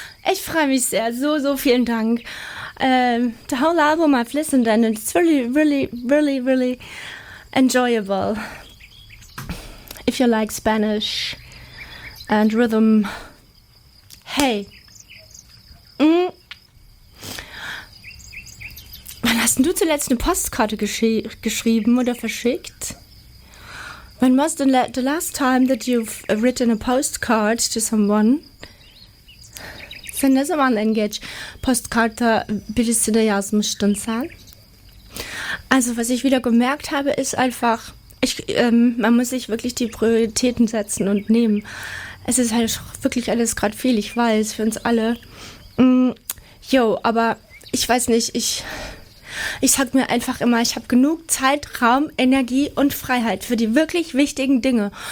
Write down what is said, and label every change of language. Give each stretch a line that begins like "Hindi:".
German: Ich freue mich sehr, so, so vielen Dank.
English: The whole album I've listened to, and it's really, really, really, really enjoyable. If you like Spanish and rhythm. Hey!
German: Wann hast denn du zuletzt eine Postkarte geschrieben oder verschickt?
English: When was the last time that you've written a postcard to someone?
German: Wenn das mal ein Gesch Postkarte bist du da ja so ein Zahl. Also was ich wieder gemerkt habe, ist einfach, man muss sich wirklich die Prioritäten setzen und nehmen. Es ist halt wirklich alles gerade viel, ich weiß, für uns alle. Jo, aber ich weiß nicht, ich sag mir einfach immer, ich habe genug Zeit, Raum, Energie und Freiheit für die wirklich wichtigen Dinge.